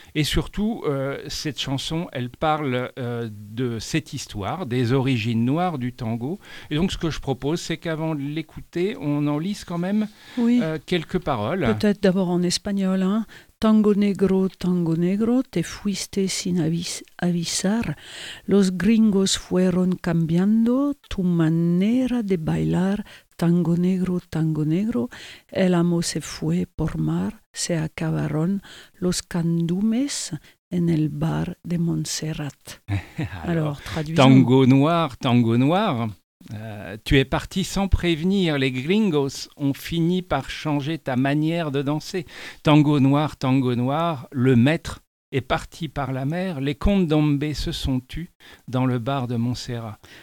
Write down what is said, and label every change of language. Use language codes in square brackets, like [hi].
[fr] Et surtout, cette chanson, elle parle de cette histoire, des origines noires du tango. Et donc, ce que je propose, c'est qu'avant de l'écouter, on en lise quand même quelques paroles. Peut-être d'abord en espagnol, hein. [es] Tango negro, te fuiste sin avisar. Los gringos fueron cambiando tu manera de bailar. Tango negro, el amo se fue por mar. Se acabaron los candumes en el bar de Montserrat. [fr] Alors, traduisons. Tango noir, tu es parti sans prévenir, les gringos ont fini par changer ta manière de danser. Tango noir, le maître est parti par la mer, les condombés se sont tus dans le bar de Montserrat.